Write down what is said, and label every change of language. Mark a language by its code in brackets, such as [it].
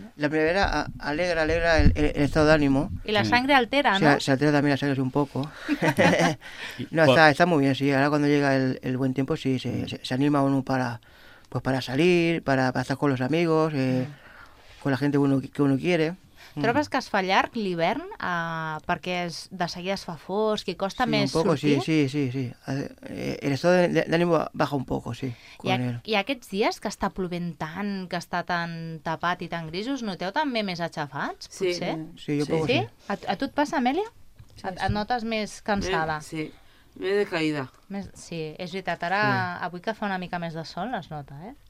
[es] La primavera alegra el estado de ánimo. Y la sangre altera, ¿no? Se altera también la sangre un poco. No, está muy bien, sí. Ahora cuando llega el buen tiempo, sí, se anima uno para salir, para estar con los amigos, con la gente que uno quiere. [ca] Trobes que es fa llarg l'hivern perquè de seguida es fa fosc i costa més sortir? [es] Sí, un poco, sí. El estado d'ánimo baja un poco, sí. [ca] I aquests dies que està plovent tant, que està tan tapat i tan grisos, noteu també més aixafats, potser? [es] Sí, jo poco, sí. [ca] A tu et passa, Amèlia? Et notes més cansada? Sí, més decaïda. Sí, és veritat. Ara, avui que fa una mica més de sol, es nota, eh?